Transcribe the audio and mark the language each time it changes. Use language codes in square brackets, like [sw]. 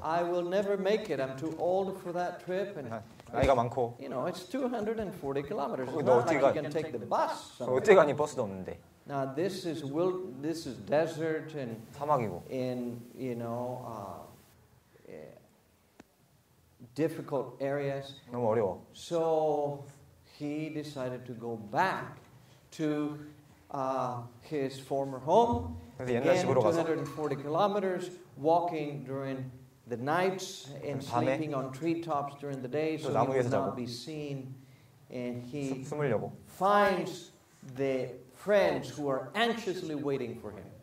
[en] I will never make it. I'm too old for that trip. And [ko] 나이가 많고. [en] You know, it's 240 kilometers. It's not like you can take the bus. [ko] 어떻게 가니 버스도 없는데. [en] Now this is this is desert and [ko] 사막이고. [en] In you know difficult areas. [ko] 너무 어려워. [en] So he decided to go back to his former home. [ko] 그래서 옛날 집으로 가서. [en] 240 kilometers walking during the nights and sleeping on treetops during the day so he would not be seen. And he finds the friends who are anxiously waiting for him.